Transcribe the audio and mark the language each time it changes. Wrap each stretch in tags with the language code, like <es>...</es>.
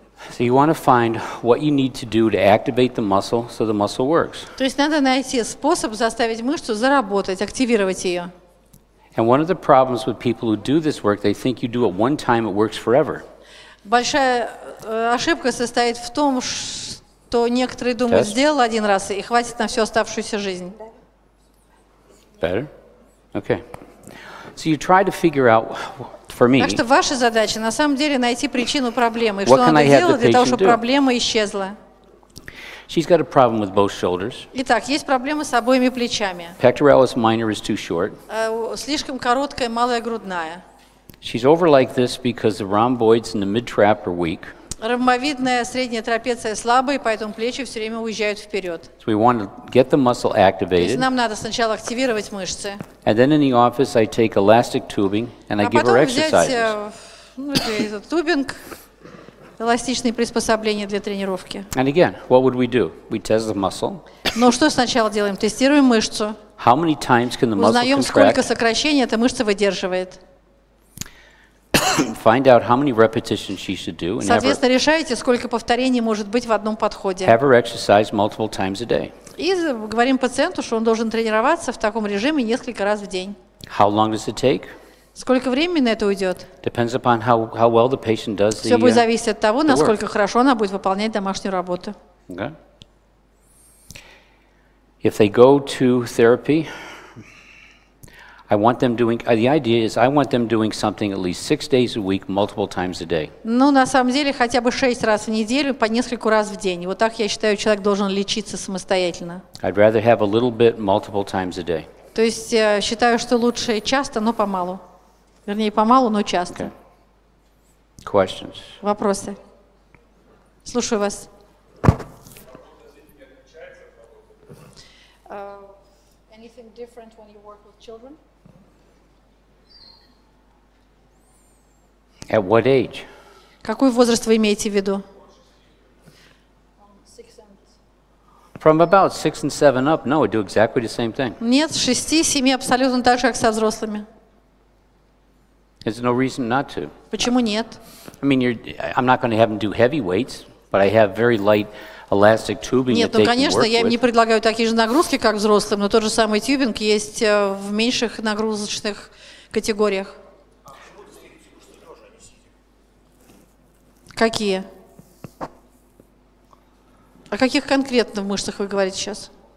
<en>So you want to find what you need to do to activate the muscle so the muscle works.</en> <ru>То есть надо найти способ заставить мышцу заработать, активировать ее.</ru> <en>And one of the problems with people who do this work, they think you do it one time, it works forever.</en> <ru>Большая ошибка состоит в том, что некоторые думают, сделал один раз и хватит на всю оставшуюся жизнь.</ru> <en>Better? Okay. So you try to figure out for me.</en> <ru>Так что ваша задача на самом деле найти причину проблемы, что надо сделать для того, чтобы проблема исчезла.</ru> <en>She's got a problem with both shoulders.</en> <ru>Итак, есть проблемы с обоими плечами.</ru> <en>Pectoralis minor is too short.</en> <ru>Слишком короткая малая грудная.</ru> <en>She's over like this because the rhomboids and the mid trap are weak.</en> <ru>Ромбовидная средняя трапеция слабая, поэтому плечи все время уезжают вперед.</ru> <en>So we want to get the muscle activated.</en> <ru>Нам надо сначала активировать мышцы.</ru> <en>And then in the office I take elastic tubing and I give her exercises.</en> <ru>А потом взять этот тубинг, эластичные приспособления для тренировки.</ru> <en>And again, what would we do? We test the muscle.</en> <ru>Но что сначала делаем? Тестируем мышцу.</ru> <en>How many times can the muscle contract?</en> <ru>Узнаем, сколько сокращений эта мышца выдерживает.</ru> <en>Find out how many repetitions she should do.</en> <ru>Соответственно, решаете, сколько повторений может быть в одном подходе.</ru> <en>Have her exercise multiple times a day.</en> <ru>И говорим пациенту, что он должен тренироваться в таком режиме несколько раз в день.</ru> <en>How long does it take?</en> <ru>Сколько времени на это уйдет?</ru> <en>Depends upon how well the patient does the work.</en> <ru>Все будет зависеть от того, насколько хорошо она будет выполнять домашнюю работу.</ru> <en>Okay. If they go to therapy. I want them doing. The idea is, I want them doing something at least 6 days a week, multiple times a day.</en> <ru>Ну, на самом деле, хотя бы 6 раз в неделю, по нескольку раз в день. Вот так я считаю, человек должен лечиться самостоятельно.</ru> <en>I'd rather have a little bit multiple times a day.</en> <ru>То есть считаю, что лучше часто, но помалу. Вернее, помалу, но часто.</ru> <en>Okay. Questions.</en> <ru>Вопросы. Слушаю вас.</ru> <en>Anything different when you work with children? At what age?</en> <ru>Какой возраст вы имеете в виду?</ru> <en>From about 6 and 7 up, no, do exactly the same thing.</en> <ru>Нет, 6-7 абсолютно так же, как со взрослыми.</ru> <en>There's no reason not to.</en> <ru>Почему нет?</ru> <en>I mean, I'm not going to have them do heavy weights, but I have very light elastic tubing.</en> <ru>Нет, ну конечно, я им не предлагаю такие же нагрузки, как взрослым, но тот же самый тюбинг есть в меньших нагрузочных категориях. Какие? О каких конкретно мышцах вы говорите сейчас?</ru>